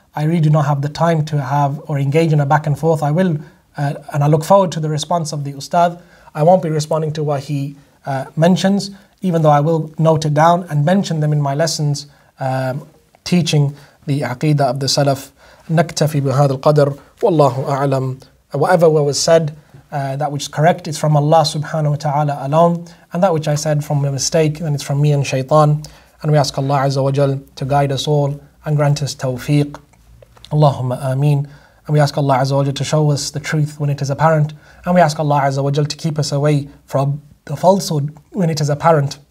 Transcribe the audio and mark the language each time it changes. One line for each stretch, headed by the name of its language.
English: I really do not have the time to have or engage in a back and forth. I will, and I look forward to the response of the Ustadh. I won't be responding to what he mentions, even though I will note it down and mention them in my lessons, teaching the Aqeedah of the Salaf.
Arabic: نكتفي بهذا القدر والله أعلم.
English: Whatever was said, that which is correct, it's from Allah subhanahu wa ta'ala alone. And that which I said from a mistake, then it's from me and shaytan. And we ask Allah Azza wa Jal to guide us all and grant us tawfiq. Allahumma ameen. And we ask Allah Azza wa Jal to show us the truth when it is apparent. And we ask Allah Azza wa Jal to keep us away from the falsehood when it is apparent.